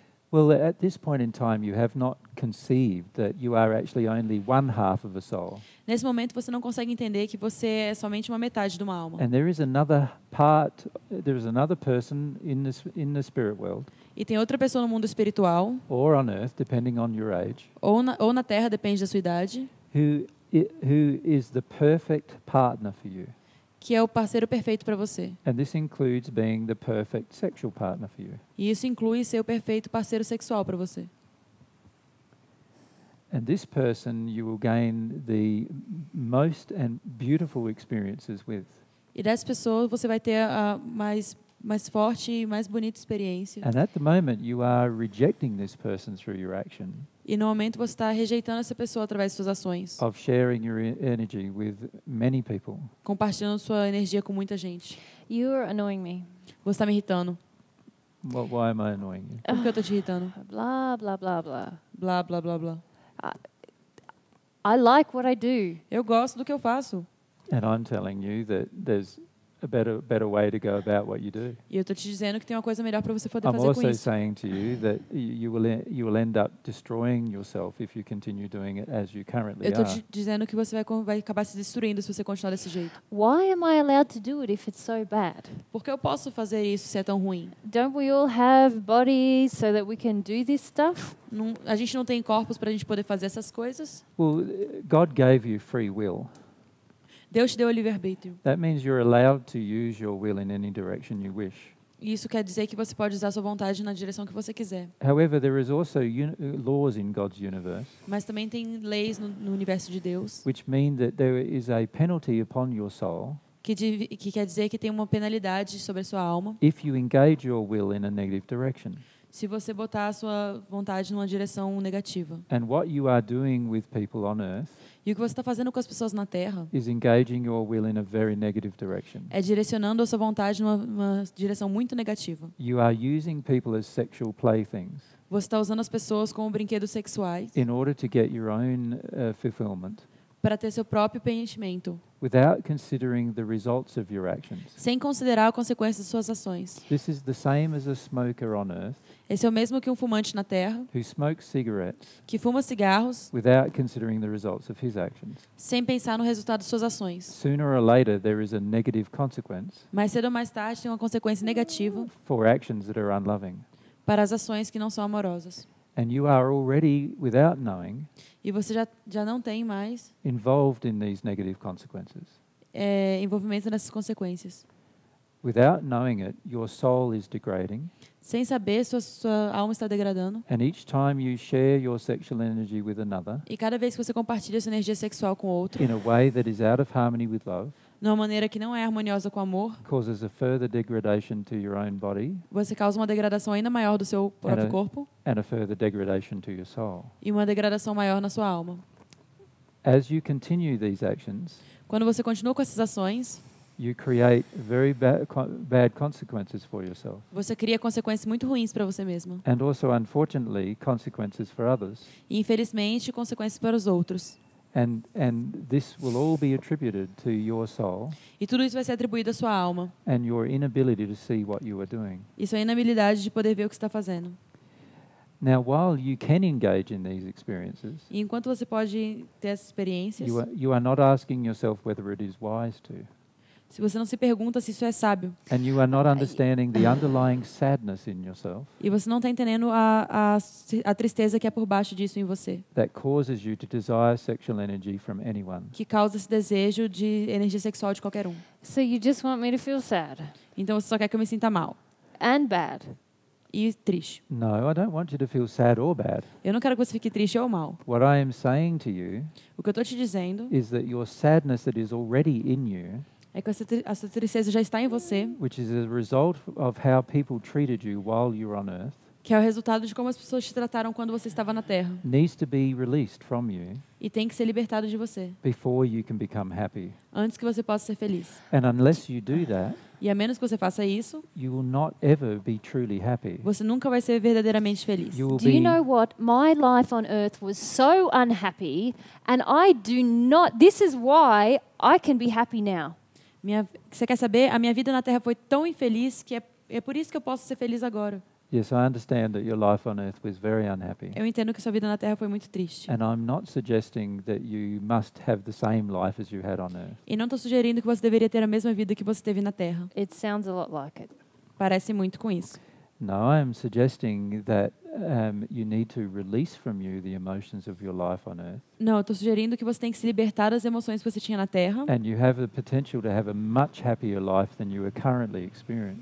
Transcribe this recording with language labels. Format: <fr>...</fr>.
<en>Well, at this point in time, you have not conceived that you are actually only one half of a soul.</en> <pt>Nesse momento, você não consegue entender que você é somente uma metade de uma alma.</pt> <en>And there is another part. There is another person in the spirit world.</en> <pt>E tem outra pessoa no mundo espiritual.</pt> <en>Or on earth, depending on your age.</en> <pt>Ou na Terra, depende da sua idade.</pt> <en>Who is the perfect partner for you?</en> <pt>Que é o parceiro perfeito para você.</pt> <en>And this includes being the perfect sexual partner for you.</en> <pt>E isso inclui ser o perfeito parceiro sexual para você.</pt> <en>And this person you will gain the most and beautiful experiences with.</en> <pt>E dessa pessoa você vai ter a mais forte e mais bonita experiência.</pt> <en>And at the moment you are rejecting this person through your action.</en> <pt>E no momento você está rejeitando essa pessoa através de suas ações.</pt> <en>Of sharing your energy with many people.</en> <pt>Compartilhando sua energia com muita gente.</pt> <en>You are annoying me.</en> <pt>Você está me irritando.</pt> <en>Well, why am I annoying you?</en> <pt>Por que eu estou te irritando? Blah, blah, blah, blah. Blah, blah, blah, blah.</pt> <en>I like what I do.</en> <pt>Eu gosto do que eu faço.</pt> <en>And I'm telling you that there's a better way to go about what you do.</en> <pt>E eu estou te dizendo que tem uma coisa melhor para você poder</pt> <en>I'm</en> <pt>fazer com isso.</pt> <en>I'm also saying to you that you will end up destroying yourself if you continue doing it as you currently are.</en> <pt>Eu estou te dizendo que você vai acabar se destruindo se você continuar desse jeito.</pt> <en>Why am I allowed to do it if it's so bad?</en> <pt>Por que eu posso fazer isso se é tão ruim?</pt> <en>Don't we all have bodies so that we can do this stuff?</en> <pt>A gente não tem corpos para a gente poder fazer essas coisas?</pt> <en>Well, God gave you free will.</en> <pt>Deus te deu o livre-arbítrio.</pt> <en>That means you're allowed to use your will in any direction you wish.</en> <pt>Isso quer dizer que você pode usar sua vontade na direção que você quiser.</pt> <en>However, there is also laws in God's universe.</en> <pt>Mas também tem leis no universo de Deus.</pt> <en>Which mean that there is a penalty upon your soul.</en> <pt>Que quer dizer que tem uma penalidade sobre a sua alma.</pt> <en>If you engage your will in a negative direction.</en> <pt>Se você botar a sua vontade numa direção negativa.</pt> <en>And what you are doing with people on earth.</en> <pt>E o que você está fazendo com as pessoas na Terra</pt> <en>is engaging your will in a very negative direction.</en> <pt>É direcionando a sua vontade numa direção muito negativa.</pt> <en>You are using people as sexual playthings.</en> <pt>Você está usando as pessoas como brinquedos sexuais</pt> <en>in order to get your own, fulfillment.</en> <pt>Para ter seu próprio preenchimento.</pt> <en>Without considering the results of your actions.</en> <pt>Sem considerar as consequências de suas ações.</pt> <en>This is the same as a smoker on earth.</en> <pt>Esse é o mesmo que um fumante na Terra.</pt> <en>Who smokes cigarettes.</en> <pt>Que fuma cigarros.</pt> <en>Without considering the results of his actions.</en> <pt>Sem pensar no resultado de suas ações.</pt> <en>Sooner or later there is a negative consequence.</en> <pt>Mais cedo ou mais tarde tem uma consequência negativa.</pt> <en>For actions that are unloving.</en> <pt>Para as ações que não são amorosas.</pt> <en>And you are already, without knowing.</en> <pt>E você já não tem mais.</pt> <en>Involved in these negative consequences.</en> <pt>É, envolvimento nessas consequências.</pt> <en>Without knowing it, your soul is degrading.</en> <pt>Sem saber, sua alma está degradando.</pt> <en>And each time you share your sexual energy with another.</en> <pt>E cada vez que você compartilha sua energia sexual com outro.</pt> <en>In a way that is out of harmony with love.</en> <pt>Numa maneira que não é harmoniosa com amor.</pt> <en>Causes a further degradation to your own body.</en> <pt>Você causa uma degradação ainda maior do seu próprio corpo.</pt> <en>And a further degradation to your soul.</en> <pt>E uma degradação maior na sua alma.</pt> <en>As you continue these actions.</en> <pt>Quando você continua com essas ações.</pt> <en>You create very bad consequences for yourself.</en> <pt>Você cria consequências muito ruins para você mesmo.</pt> <en>And also, unfortunately, consequences for others.</en> <pt>E infelizmente, consequências para os outros.</pt> <en>And this will all be attributed to your soul.</en> <pt>E tudo isso vai ser atribuído à sua alma.</pt> <en>And your inability to see what you are doing.</en> <pt>E sua inabilidade de poder ver o que está fazendo.</pt> <en>Now, while you can engage in these experiences,</en> <pt>e enquanto você pode ter essas experiências,</pt> <en>you are not asking yourself whether it is wise to.</en> <pt>Se você não se pergunta se isso é sábio.</pt> <en>And you are not understanding the underlying sadness in yourself.</en> <pt>E você não está entendendo a tristeza que é por baixo disso em você.</pt> <en>That causes you to desire sexual energy from anyone.</en> <pt>Que causa esse desejo de energia sexual de qualquer um.</pt> <en>So you just want me to feel sad.</en> <pt>Então você só quer que eu me sinta mal.</pt> <en>And bad.</en> <pt>E triste.</pt> <en>No, I don't want you to feel sad or bad.</en> <pt>Eu não quero que você fique triste ou mal.</pt> <en>What I am saying to you.</en> <pt>O que eu estou te dizendo.</pt> <en>Is that your sadness that is already in you.</en> <pt>É que essa tristeza já está em você.</pt> <en>Which is a result of how people treated you while you were on earth.</en> <pt>Que é o resultado de como as pessoas te trataram quando você estava na Terra.</pt> <en>Needs to be released from you.</en> <pt>E tem que ser libertado de você.</pt> <en>Before you can become happy.</en> <pt>Antes que você possa ser feliz.</pt> <en>And unless you do that.</en> <pt>E a menos que você faça isso.</pt> <en>You will not ever be truly happy.</en> <pt>Você nunca vai ser verdadeiramente feliz.</pt> <en>Do you know what? My life on earth was so unhappy and I do not. This is why I can be happy now.</en> <pt>Você quer saber? A minha vida na Terra foi tão infeliz que é por isso que eu posso ser feliz agora.</pt> <en>Yes, I understand that your life on earth was very unhappy.</en> <pt>Eu entendo que sua vida na Terra foi muito triste.</pt> <en>And I'm not suggesting that you must have the same life as you had on earth.</en> <pt>E não estou sugerindo que você deveria ter a mesma vida que você teve na Terra.</pt> <en>It sounds a lot like it.</en> <pt>Parece muito com isso.</pt> <en>No, I am suggesting that you need to release from you the emotions of your life on earth.</en> <pt>Não, eu estou sugerindo que você tem que se libertar das emoções que você tinha na Terra.</pt> <en>And you have the potential to have a much happier life than you are currently experiencing.</en>